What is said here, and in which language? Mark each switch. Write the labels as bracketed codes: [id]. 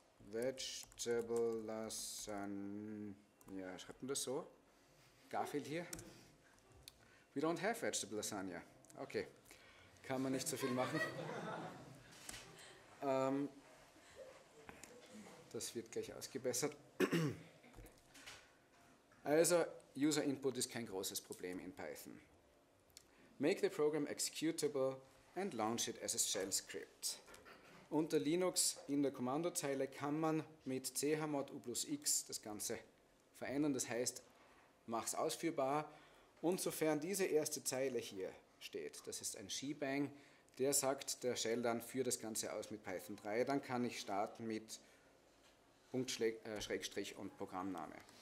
[de] Vegetable Lasagne. Ja, schreibt man das so? Garfield hier. [en] We don't have vegetable lasagna. [de] Okay, kann man nicht so viel machen. Das wird gleich ausgebessert. Also, User Input ist kein großes Problem in Python. [en] Make the program executable and launch it as a shell script. [de] Unter Linux in der Kommandozeile kann man mit chmod u plus x das Ganze verändern, das heißt, mach's ausführbar. Und sofern diese erste Zeile hier steht, das ist ein Shebang, der sagt der Shell dann, führ das Ganze aus mit Python 3, dann kann ich starten mit Punkt Schrägstrich und Programmname.